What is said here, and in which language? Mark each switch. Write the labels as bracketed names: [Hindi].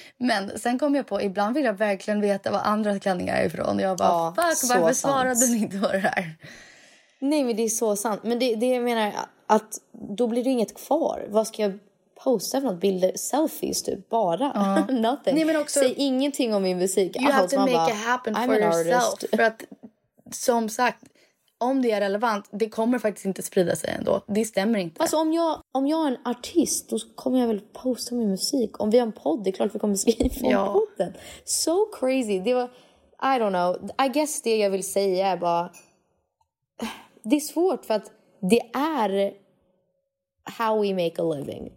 [Swedish] Men sen kom jag på, ibland vill jag verkligen veta vad andra klänningar är ifrån. Jag bara, ja, fuck, varför sant. Svarade ni inte på det här? Nej, men det är så sant. Men det jag menar, att då blir det inget kvar. Vad ska jag posta för något? Bilder, selfies typ, bara. Nothing. Nej, men också, säg ingenting om min musik. [English] You have to make it happen for yourself. [Swedish] För att, som sagt, om det är relevant, det kommer faktiskt inte sprida sig ändå. Det stämmer inte. Alltså, om jag är en artist, då kommer jag väl posta min musik. Om vi har en podd, det är klart vi kommer skriva om podden. [English] So crazy. [Swedish] Det var, [English] I don't know. I guess [Swedish] det jag vill säga är bara, det är svårt, för att det är [English] how we make a living.